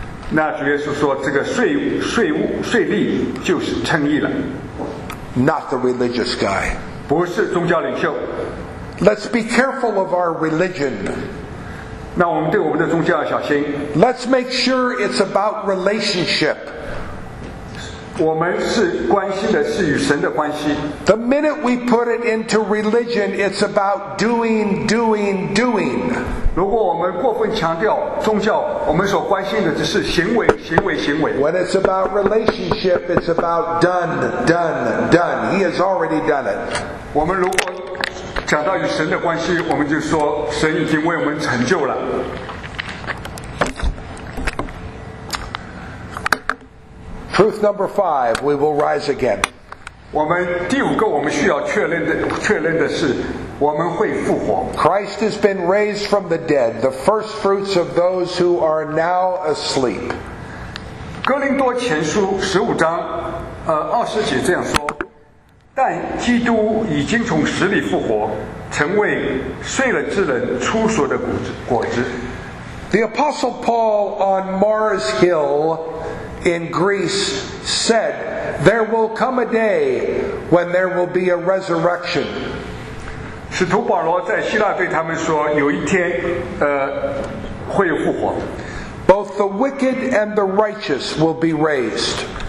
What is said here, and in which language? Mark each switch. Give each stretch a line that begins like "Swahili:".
Chinese: 那主耶稣说，这个税吏就是称义了。
English: Not the religious guy.
Chinese: 不是宗教领袖。
English: Let's be careful of our religion.
Chinese: 那我们对我们的宗教要小心。
English: Let's make sure it's about relationship.
Chinese: 我们是关心的是与神的关系。
English: The minute we put it into religion, it's about doing, doing, doing.
Chinese: 如果我们过分强调宗教，我们所关心的只是行为，行为，行为。
English: When it's about relationship, it's about done, done, done. He has already done it.
Chinese: 我们如果讲到与神的关系，我们就说神已经为我们成就了。
English: Truth number five, we will rise again.
Chinese: 我们第五个我们需要确认的是，我们会复活。
English: Christ has been raised from the dead, the first fruits of those who are now asleep.
Chinese: 哥林多前书15章20节这样说。但基督已经从死里复活，成为睡了之人初熟的果子。
English: The Apostle Paul on Mars Hill in Greece said, "There will come a day when there will be a resurrection."
Chinese: 使徒保罗在希腊对他们说，有一天，会复活。
English: Both the wicked and the righteous will be raised.